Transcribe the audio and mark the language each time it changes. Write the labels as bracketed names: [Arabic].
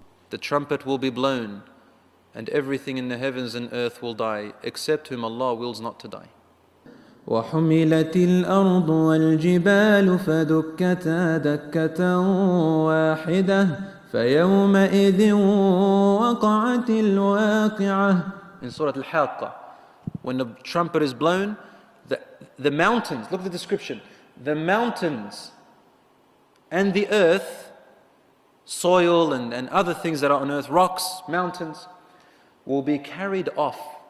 [English] The trumpet will be blown and everything in the heavens and earth will die except whom Allah wills not to die. [Arabic] وحملت الأرض والجبال فدكتا دكة واحدة فَيَوْمَئِذٍ وَقَعَتِ الْوَاقِعَةِ. [English] In Surah Al-Haqqah, when the trumpet is blown, the mountains, look at the description, the mountains and the earth, soil and other things that are on earth, rocks, mountains, will be carried off.